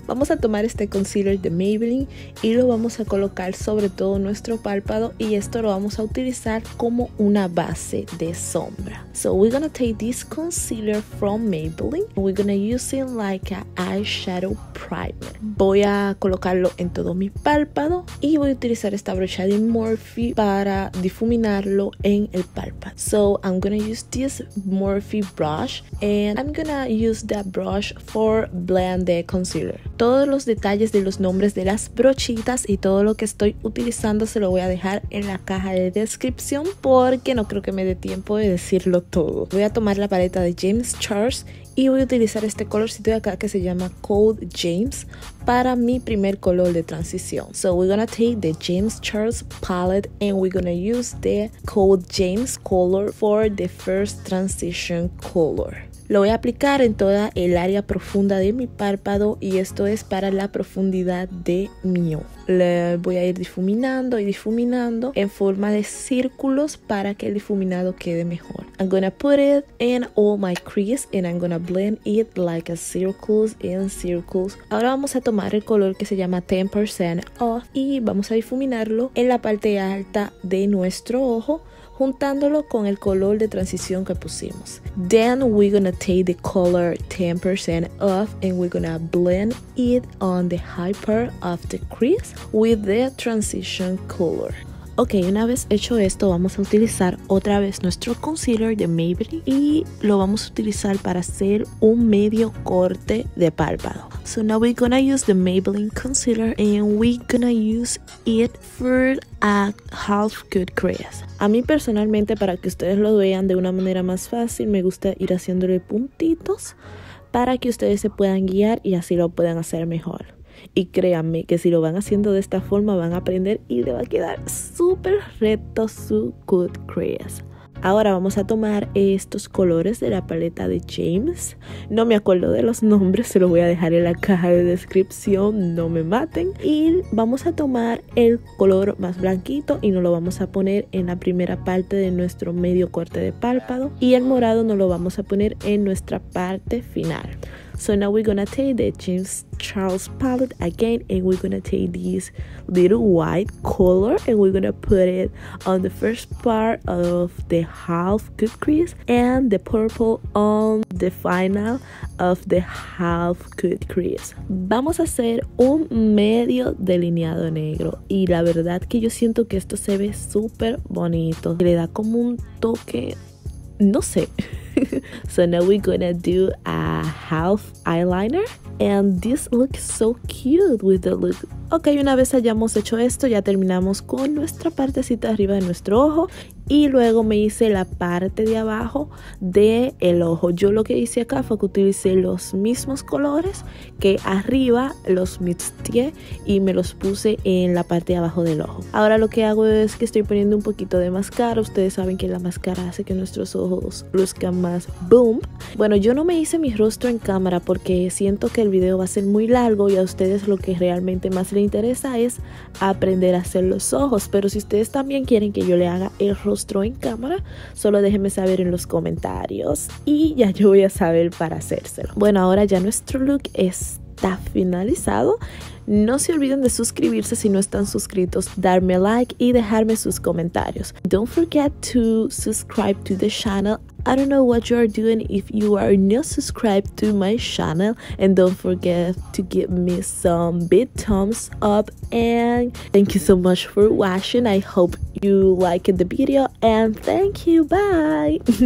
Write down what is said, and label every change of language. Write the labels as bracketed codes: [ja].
[es] Vamos a tomar este concealer de Maybelline y lo vamos a colocar sobre todo nuestro párpado, y esto lo vamos a utilizar como una base de sombra. [en] So we're gonna take this concealer from Maybelline. We're gonna use it like an eyeshadow primer. [es] Voy a colocarlo en todo mi párpado y voy a utilizar esta brocha de Morphe para difuminarlo en el párpado. [en] So I'm gonna use this Morphe brush and I'm gonna use that brush for blend the concealer. [es] Todos los detalles de los nombres de las brochitas y todo lo que estoy utilizando se lo voy a dejar en la caja de descripción, porque no creo que me dé tiempo de decirlo todo. Voy a tomar la paleta de James Charles y voy a utilizar este colorcito de acá que se llama Code James para mi primer color de transición. [en] So we're gonna take the James Charles palette and we're gonna use the Code James color for the first transition color. [es] Lo voy a aplicar en toda el área profunda de mi párpado y esto es para la profundidad de mi ojo. Le voy a ir difuminando y difuminando en forma de círculos para que el difuminado quede mejor. [en] I'm gonna put it in all my crease and I'm gonna blend it like a circles and circles. [es] Ahora vamos a tomar el color que se llama 10% off y vamos a difuminarlo en la parte alta de nuestro ojo, juntándolo con el color de transición que pusimos. [en] Then we're gonna take the color 10% off and we're gonna blend it on the high part of the crease with the transition color. [es] Ok, una vez hecho esto, vamos a utilizar otra vez nuestro concealer de Maybelline y lo vamos a utilizar para hacer un medio corte de párpado. [en] So now we're gonna use the Maybelline concealer and we're gonna use it for a half good crease. [es] A mí personalmente, para que ustedes lo vean de una manera más fácil, me gusta ir haciéndole puntitos para que ustedes se puedan guiar y así lo puedan hacer mejor. Y créanme que si lo van haciendo de esta forma van a aprender y le va a quedar súper recto su good crease. Ahora vamos a tomar estos colores de la paleta de James. No me acuerdo de los nombres, se los voy a dejar en la caja de descripción, no me maten. Y vamos a tomar el color más blanquito y nos lo vamos a poner en la primera parte de nuestro medio corte de párpado. Y el morado nos lo vamos a poner en nuestra parte final. [en] So now we're gonna take the James Charles palette again and we're gonna take this little white color and we're gonna put it on the first part of the half good crease and the purple on the final of the half good crease. [es] Vamos a hacer un medio delineado negro y la verdad que yo siento que esto se ve súper bonito. Le da como un toque, no sé. [en] So now we're gonna do a half eyeliner and this looks so cute with the look. [es] Ok, una vez hayamos hecho esto, ya terminamos con nuestra partecita arriba de nuestro ojo y luego me hice la parte de abajo del ojo. Yo lo que hice acá fue que utilicé los mismos colores que arriba, los mixté y me los puse en la parte de abajo del ojo. Ahora lo que hago es que estoy poniendo un poquito de máscara. Ustedes saben que la máscara hace que nuestros ojos luzcan más más boom. Bueno, yo no me hice mi rostro en cámara porque siento que el video va a ser muy largo y a ustedes lo que realmente más les interesa es aprender a hacer los ojos. Pero si ustedes también quieren que yo le haga el rostro en cámara, solo déjenme saber en los comentarios y ya yo voy a saber para hacérselo. Bueno, ahora ya nuestro look está finalizado. No se olviden de suscribirse si no están suscritos, darme like y dejarme sus comentarios. [en] Don't forget to subscribe to the channel. I don't know what you are doing if you are not subscribed to my channel. And don't forget to give me some big thumbs up. And thank you so much for watching. I hope you liked the video. And thank you. Bye.